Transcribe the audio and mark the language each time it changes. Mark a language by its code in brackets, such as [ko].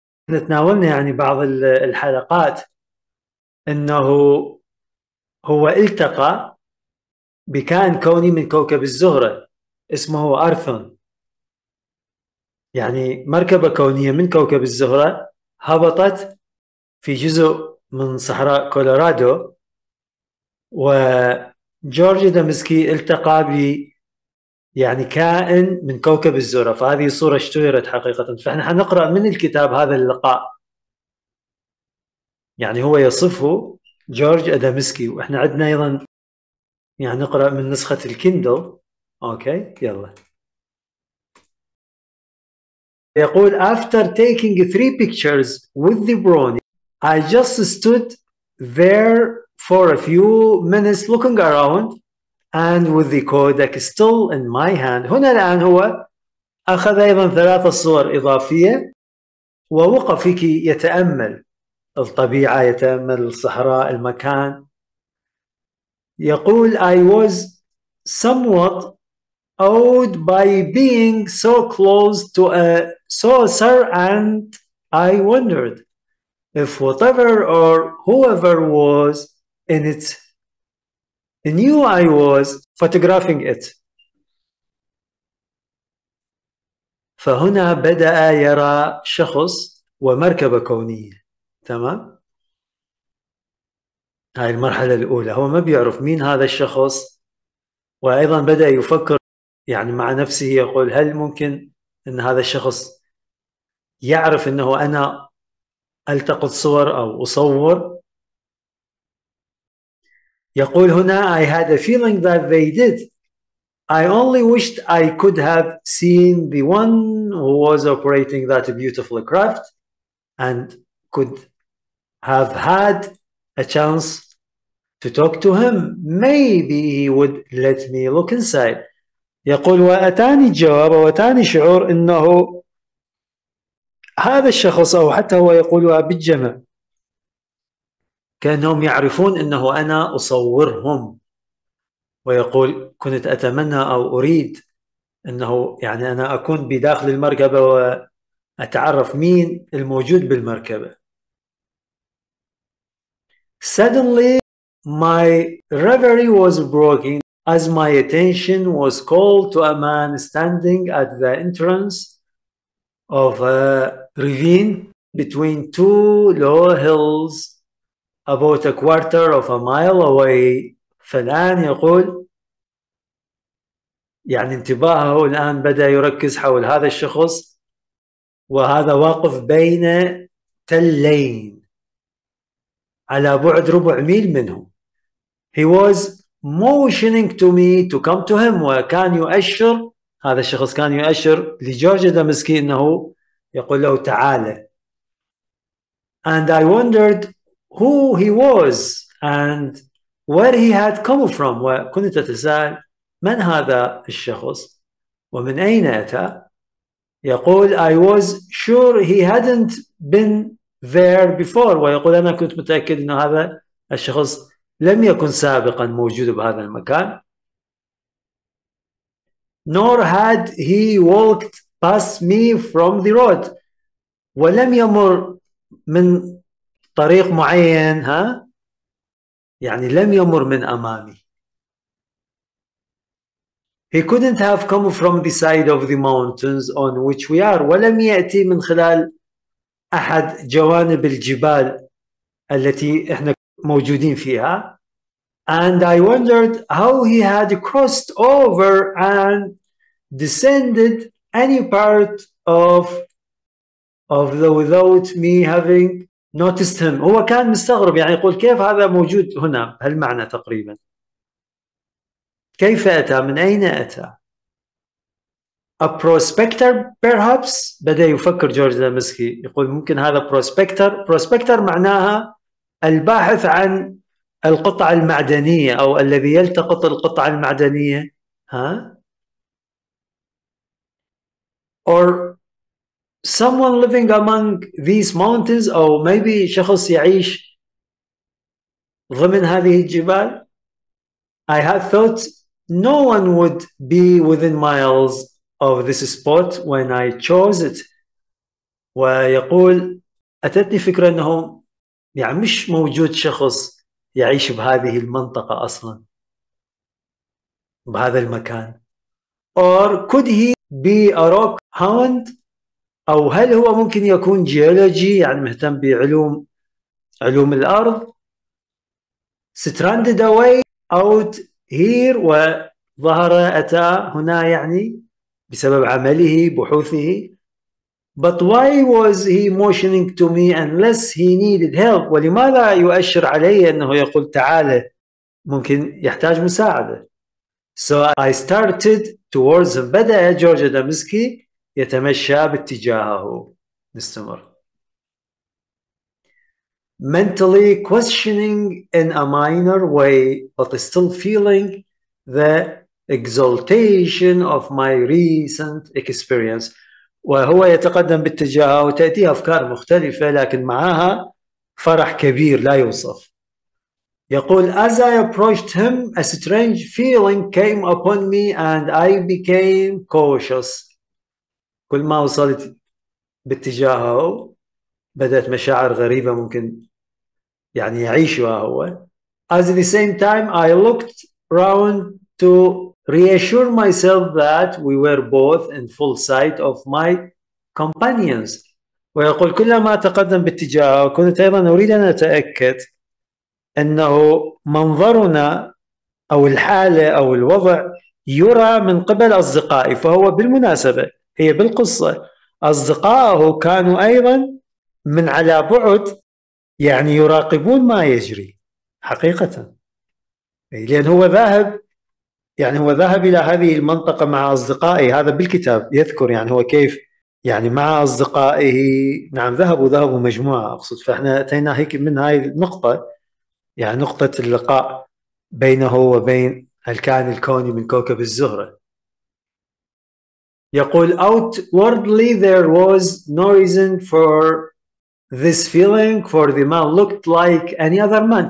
[ar] نتناولنا يعني بعض الحلقات أنه هو التقى بكائن كوني من كوكب الزهرة اسمه أرثون، يعني مركبة كونية من كوكب الزهرة هبطت في جزء من صحراء كولورادو، وجورج دامسكي التقى ب يعني كائن من كوكب الزهرة، فهذه صورة اشتهرت حقيقة. فإحنا حنقرأ من الكتاب هذا اللقاء، يعني هو يصفه جورج أدامسكي، وإحنا عندنا أيضا يعني نقرأ من نسخة الكيندل. أوكي يلا. يقول: [en] After taking three pictures with the brownie, I just stood there for a few minutes looking around and with the Kodak still in my hand. [ar] هنا الآن هو أخذ أيضا ثلاثة صور إضافية ووقف يتأمل الطبيعة، يتأمل الصحراء، المكان. يقول: [en] I was somewhat awed by being so close to a saucer and I wondered if whatever or whoever was in it knew I was photographing it. [ar] فهنا بدأ يرى شخص ومركبة كونية، تمام؟ هاي المرحلة الأولى، هو ما بيعرف مين هذا الشخص، وأيضا بدأ يفكر يعني مع نفسه، يقول: هل ممكن أن هذا الشخص يعرف أنه أنا ألتقط صور أو أصور؟ يقول هنا: [en] I had a feeling that they did. I only wished I could have seen the one who was operating that beautiful craft and could have had a chance to talk to him. Maybe he would let me look inside. [ar] يقول: وأتاني الجواب وأتاني شعور أنه هذا الشخص، أو حتى هو يقولها بالجمع، كأنهم يعرفون أنه أنا أصورهم. ويقول: كنت أتمنى أو أريد أنه يعني أنا أكون بداخل المركبة وأتعرف مين الموجود بالمركبة. [en] Suddenly my reverie was broken as my attention was called to a man standing at the entrance of a ravine between two low hills about a quarter of a mile away. [ar] فالآن يقول يعني انتباهه الآن بدأ يركز حول هذا الشخص، وهذا واقف بين تلين على بعد ربع ميل منه. [en] He was motioning to me to come to him. [ar] وكان يؤشر، هذا الشخص كان يؤشر لجورج دامسكي أنه يقول له تعال. [en] And I wondered who he was and where he had come from. [ar] وكنت أتساءل من هذا الشخص ومن أين أتى. يقول: [en] I was sure he hadn't been there before. [ar] ويقول: أنا كنت متأكد أن هذا الشخص لم يكن سابقا موجود بهذا المكان. [en] Nor had he walked past me from the road. [ar] ولم يمر من طريق معين، ها؟ يعني لم يمر من أمامي. [en] He couldn't have come from the side of the mountains on which we are. [ar] ولم يأتي من خلال أحد جوانب الجبال التي إحنا موجودين فيها. [en] And I wondered how he had crossed over and descended any part of the without me having noticed him. [ar] هو كان مستغرب، يعني يقول كيف هذا موجود هنا بهالمعنى تقريبا، كيف أتى، من أين أتى. [en] A prospector perhaps. [ar] بدأ يفكر جورج دامسكي، يقول ممكن هذا prospector. Prospector معناها الباحث عن القطع المعدنية، أو الذي يلتقط القطع المعدنية، ها؟ [en] Or someone living among these mountains, or maybe [ar] شخص يعيش ضمن هذه الجبال. [en] I had thought no one would be within miles of this spot when I chose it. [ar] ويقول أتتني فكرة أنه يعني مش موجود شخص يعيش بهذه المنطقة أصلا بهذا المكان. [en] Or could he be a rock hound؟ [ar] أو هل هو ممكن يكون جيولوجي يعني مهتم بعلوم الأرض؟ [en] Stranded away out here، [ar] وظهر أتى هنا يعني بسبب عمله بحوثه. [en] But why was he motioning to me unless he needed help؟ [ar] ولماذا يؤشر علي أنه يقول تعال ممكن يحتاج مساعدة؟ [en] So I started towards him. [ar] بدأ جورج أدامسكي يتمشى باتجاهه. نستمر. Mentally questioning in a minor way, but still feeling the exaltation of my recent experience. وهو يتقدم باتجاهه وتأتيه أفكار مختلفة لكن معها فرح كبير لا يوصف. يقول [en] As I approached him, a strange feeling came upon me and I became cautious. [ar] كل ما وصلت باتجاهه بدأت مشاعر غريبة ممكن يعني يعيشها هو. [en] At the same time I looked round to reassure myself that we were both in full sight of my companions. [ar] ويقول كلما تقدم باتجاهه كنت أيضا أريد أن أتأكد أنه منظرنا أو الحالة أو الوضع يرى من قبل أصدقائي. فهو بالمناسبة هي بالقصة أصدقائه كانوا أيضا من على بعد يعني يراقبون ما يجري حقيقة، لأن هو ذاهب يعني هو ذهب إلى هذه المنطقة مع أصدقائه. هذا بالكتاب يذكر يعني هو كيف يعني مع أصدقائه، نعم ذهبوا مجموعة أقصد. فإحنا أتينا هيك من هاي النقطة يعني نقطة اللقاء بينه وبين الكائن الكوني من كوكب الزهرة. يقول [en] outwardly there was no reason for this feeling for the man looked like any other man.